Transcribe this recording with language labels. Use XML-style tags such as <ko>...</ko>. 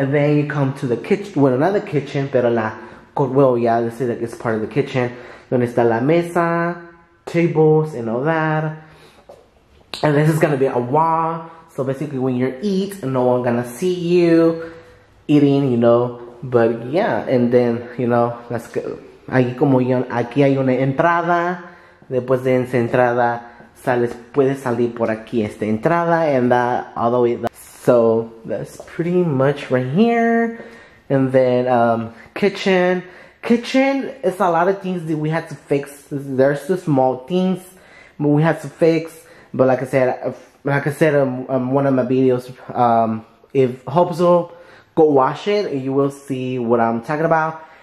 <en>And then you come to the kitchen, well, another kitchen,</en> <es>pero la,</es> <en>well, yeah, let's say that it's part of the kitchen.</en> <es>Donde está la mesa,</es> <en>tables, and all that. And this is gonna be a wall. So basically when you eat, no one gonna see you eating, you know. But yeah, and then, you know, that's good.</en> <es>Aquí como yo, aquí hay una entrada. Después de esa entrada, sales, puedes salir por aquí esta entrada.</es> <en>And that, all the way down. So that's pretty much right here. And then, kitchen. Kitchen is a lot of things that we had to fix. There's just small things but we had to fix. But like I said, one of my videos, if hope so, go watch it and you will see what I'm talking about.</en>